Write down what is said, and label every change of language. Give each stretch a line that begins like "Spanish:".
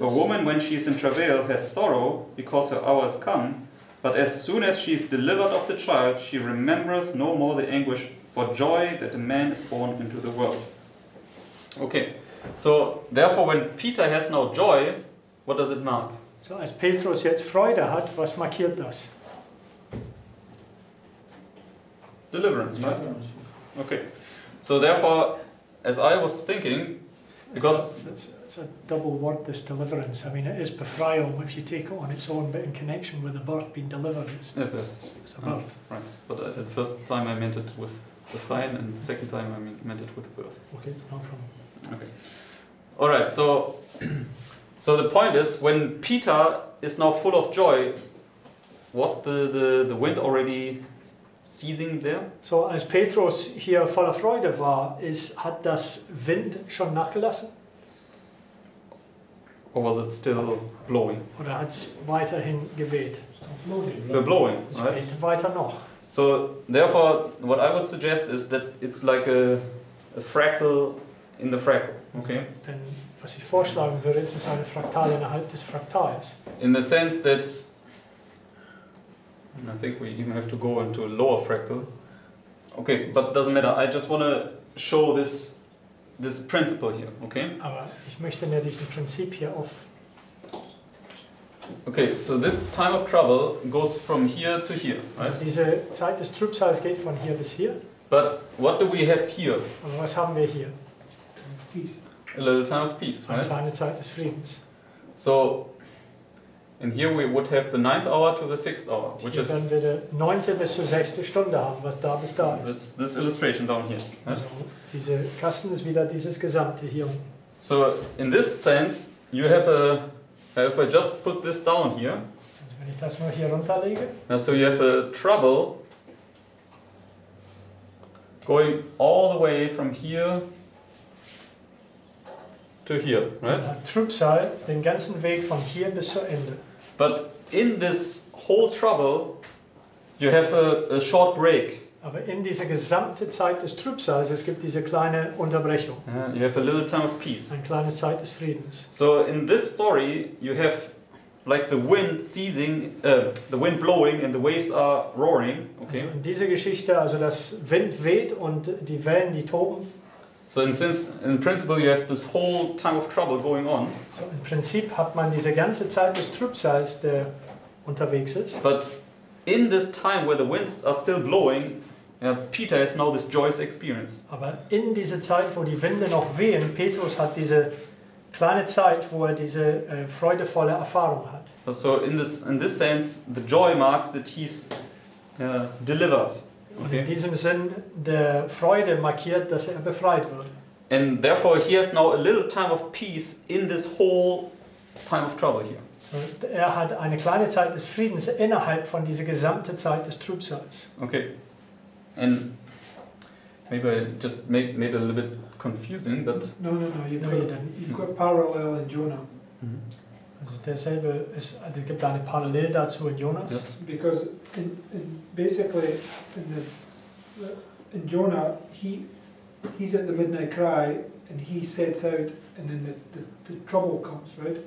English: a woman when she is in travail has sorrow because her hour has come, but as soon as she is delivered of the child, she remembereth no more the anguish for joy that a man is born into the world. Okay, so therefore when Peter has now joy, what does it mark?
German: So als Petrus jetzt Freude hat, was markiert das?
English: Deliverance, right? Yeah. Okay. So therefore, as I was thinking, because... It's a double word, this deliverance. I mean, it is befreiung if you take it on its own, but in connection with the birth being delivered, it's a birth. Right. But the first time I meant it with befreien, and the second time I meant it with birth. Okay, no problem. Okay. All right, so the point is, when Peter is now full of joy, was the wind already... seizing there?
German: So als Petrus hier voller Freude war, hat das Wind schon nachgelassen?
English: Or was it still blowing?
German: Oder hat es weiterhin geweht?
English: The blowing, right?
German: Es weht weiter noch.
English: So therefore, what I would suggest is that it's like a fractal in the fractal, okay?
German: Denn was ich vorschlagen würde, ist es eine Fraktal innerhalb des Fraktals.
English: In the sense that I think we even have to go into a lower fractal. Okay, but doesn't matter. I just want to show this principle here, okay?
German: Aber ich möchte mir diesen Prinzip hier auf...
English: Okay, so this time of trouble goes from here to here, right?
German: Also diese Zeit des Trübsals geht von hier bis hier.
English: But what do we have here?
German: Und was haben wir hier?
English: A little time of peace,
German: eine
English: right?
German: Eine kleine Zeit des Friedens.
English: So... And here we would have the ninth hour to the sixth hour, which
German: hier
English: is...
German: Hier werden wir die neunte bis zur sechste Stunde haben, was da bis da ist.
English: This illustration down here. Right?
German: Also, diese Kasten ist wieder dieses Gesamte hier.
English: So, in this sense, you have a... If I just put this down here...
German: Also, wenn ich das mal hier runterlege...
English: So, you have a trouble... going all the way from here... to here, right?
German: Trübsal, den ganzen Weg von hier bis zum Ende.
English: But in this whole trouble, you have a short break.
German: Aber in dieser gesamte Zeit des Trübsals, es gibt diese kleine Unterbrechung.
English: Yeah, you have a little time of peace.
German: Eine kleine Zeit des Friedens.
English: So in this story, you have like the wind ceasing, the wind blowing and the waves are roaring. Okay.
German: Also in dieser Geschichte, also das Wind weht und die Wellen, die toben.
English: So in principle you have this whole time of trouble going on.
German: So im Prinzip hat man diese ganze Zeit des Trübsals, der unterwegs ist.
English: But in this time where the winds are still blowing, yeah, Peter has now this joyous experience.
German: Aber in dieser Zeit, wo die Winde noch wehen, Petrus hat diese kleine Zeit, wo er diese freudevolle Erfahrung hat.
English: So in this sense, the joy marks that he's delivered. Okay.
German: In diesem Sinn, der Freude markiert, dass er befreit wurde.
English: And therefore he has now a little time of peace in this whole time of trouble here.
German: So er hat eine kleine Zeit des Friedens innerhalb von dieser gesamten Zeit des Trübsals.
English: Okay. And maybe I just made it a little bit confusing, but... No, you didn't. You've got a parallel in Jonah. Mm-hmm.
German: Also derselbe ist, also gibt eine Parallel dazu in Jonas?
English: Yes. Because in Jonah, he's at the midnight cry, and he sets out, and then the trouble comes, right?